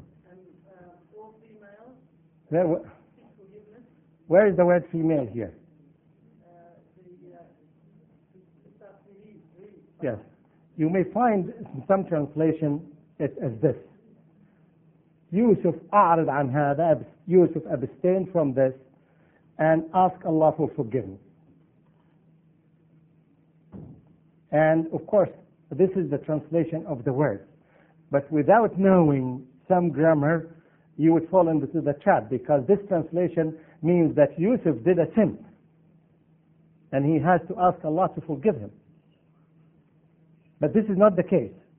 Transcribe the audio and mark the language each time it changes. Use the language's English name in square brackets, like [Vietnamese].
[English] And for female? Where is the word female here? Yes. You may find in some translation it as this. [Arabic] Yusuf أعرض عن هذا. [English] Yusuf abstain from this and ask Allah for forgiveness. And of course, this is the translation of the words. But without knowing some grammar, you would fall into the trap, because this translation means that Yusuf did a sin and he has to ask Allah to forgive him. But this is not the case.